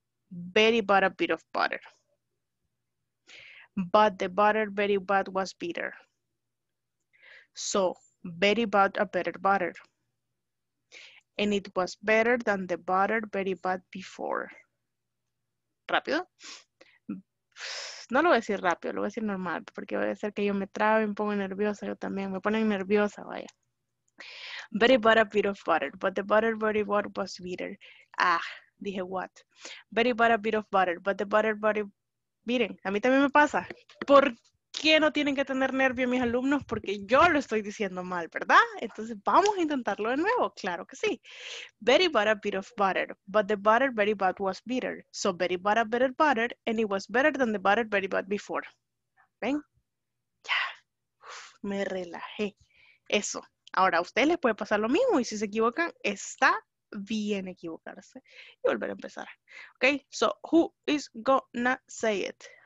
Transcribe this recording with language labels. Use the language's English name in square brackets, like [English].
[English] Betty bought a bit of butter. But the butter Betty bought was bitter. So, Betty bought a better butter. And it was better than the butter Betty bought before. [Spanish] ¿Rápido? No lo voy a decir rápido, lo voy a decir normal, porque voy a hacer que yo me trabe, me pongo nerviosa, yo también, me ponen nerviosa, vaya. [English] Betty bought a bit of butter, but the butter Betty bought was bitter. [Spanish] Ah, dije [English] what? Betty bought a bit of butter, but the butter Betty... [Spanish] Miren, a mí también me pasa. ¿Por qué no tienen que tener nervio mis alumnos? Porque yo lo estoy diciendo mal, ¿verdad? Entonces, ¿vamos a intentarlo de nuevo? Claro que sí. [English] Betty bought a bit of butter, but the butter Betty bought was bitter. So Betty bought a better butter, and it was better than the butter Betty bought before. [Spanish] ¿Ven? Ya. Uf, me relajé. Eso. Ahora, a ustedes les puede pasar lo mismo, y si se equivocan, está bien equivocarse. Y volver a empezar. [English] ¿Ok? So, who is gonna say it?